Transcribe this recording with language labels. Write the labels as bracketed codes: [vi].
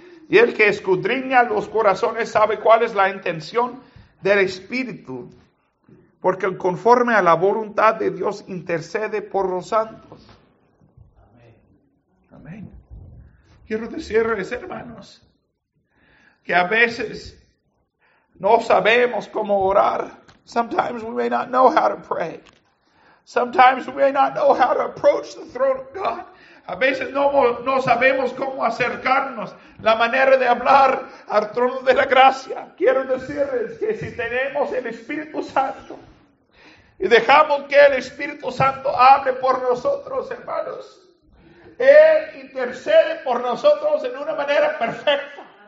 [es] Y el que escudriña los corazones sabe cuál es la intención del Espíritu, porque conforme a la voluntad de Dios intercede por los santos. Amén. Amén. Quiero decirles, hermanos, que a veces no sabemos cómo orar. [en] Sometimes we may not know how to pray. Sometimes we may not know how to approach the throne of God. [es] A veces no sabemos cómo acercarnos, la manera de hablar al trono de la gracia. Quiero decirles que si tenemos el Espíritu Santo y dejamos que el Espíritu Santo hable por nosotros, hermanos, Él intercede por nosotros en una manera perfecta.